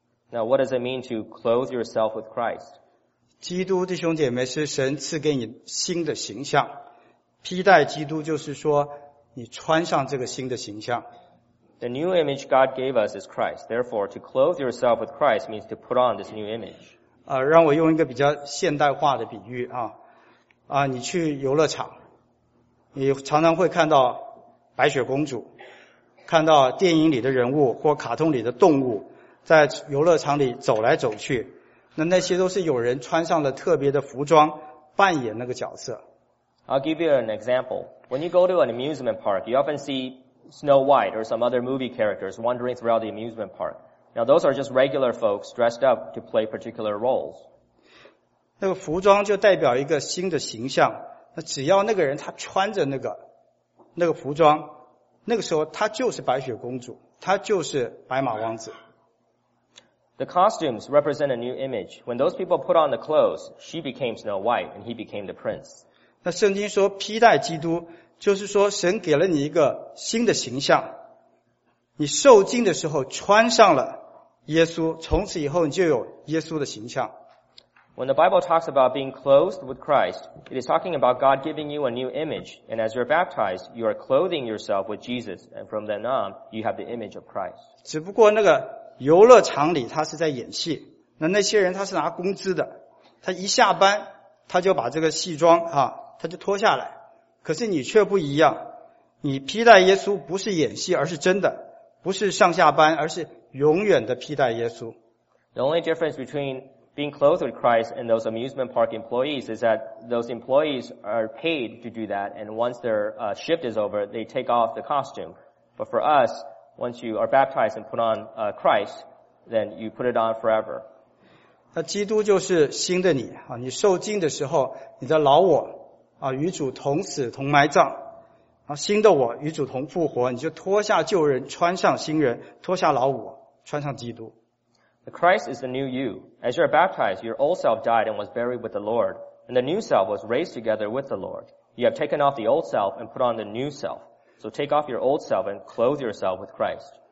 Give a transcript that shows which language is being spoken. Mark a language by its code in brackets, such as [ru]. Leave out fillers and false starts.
[en] Now, what does it mean to clothe yourself with Christ? [zh] 基督弟兄姐妹是神赐给你新的形象。披戴基督就是说你穿上这个新的形象。 [en] The new image God gave us is Christ. Therefore, to clothe yourself with Christ means to put on this new image. [zh] 让我用一个比较现代化的比喻啊。你去游乐场，你常常会看到白雪公主，看到电影里的人物或卡通里的动物在游乐场里走来走去。那些都是有人穿上了特别的服装扮演那个角色。 [en] I'll give you an example. When you go to an amusement park, you often see Snow White or some other movie characters wandering throughout the amusement park. Now those are just regular folks dressed up to play particular roles. [zh] 那个服装就代表一个新的形象。那只要那个人他穿着那个服装，那个时候他就是白雪公主，他就是白马王子。 [en] The costumes represent a new image. When those people put on the clothes, she became Snow White and he became the prince. [zh] 那圣经说披戴基督就是说神给了你一个新的形象，你受浸的时候穿上了耶稣，从此以后你就有耶稣的形象。 [en] When the Bible talks about being clothed with Christ, it is talking about God giving you a new image, and as you're baptized, you are clothing yourself with Jesus, and from then on, you have the image of Christ. [zh] 只不过那个游乐场里他是在演戏，那些人他是拿工资的，他一下班他就把这个戏装啊，他就脱下来，可是你却不一样，你披戴耶稣不是演戏，而是真的，不是上下班，而是永远的披戴耶稣。 [en] The only difference between being clothed with Christ and those amusement park employees is that those employees are paid to do that, and once their shift is over, they take off the costume. But for us, once you are baptized and put on Christ, then you put it on forever. [zh] 那基督就是新的你啊！你受浸的时候，你的老我。与主同死同埋葬新的我与主同复活，你就脱下旧人，穿上新人，脱下老我，穿上基督。 [en] The Christ is the new you. As you are baptized, your old self died and was buried with the Lord, and the new self was raised together with the Lord. You have taken off the old self and put on the new self. So take off your old self and clothe yourself with Christ.